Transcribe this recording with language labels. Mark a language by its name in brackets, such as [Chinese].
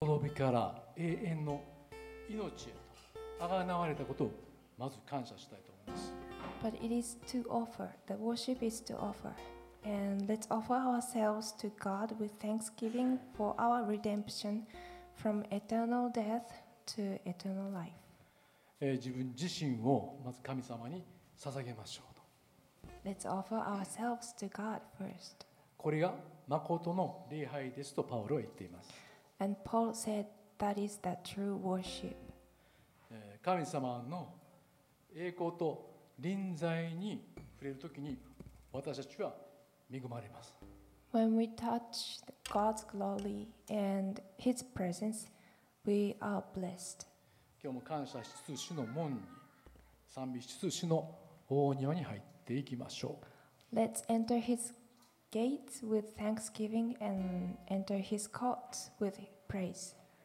[Japanese] 滅びから永遠の命へと贖われたことをまず感謝したいと思います。 [English] But it is to offer. The worship is to offer. And let's offer ourselves to God with thanksgiving for our redemption from eternal death to eternal life. [Japanese] 自分自身をまず神様に捧げましょうと。 [English] Let's offer ourselves to God first. [Japanese] これが誠の礼拝ですとパウロは言っています。 [English] And Paul said that is the true worship. [Japanese] 神様の栄光と臨在に触れるときに私たちは恵まれます。 [English] When we touch God's glory and His presence, we are blessed. [Japanese] 今日も感謝しつつ主の門に、賛美しつつ主の大庭に入っていきましょう。 [English] Let's enter His gates with thanksgiving and enter His courts with praise.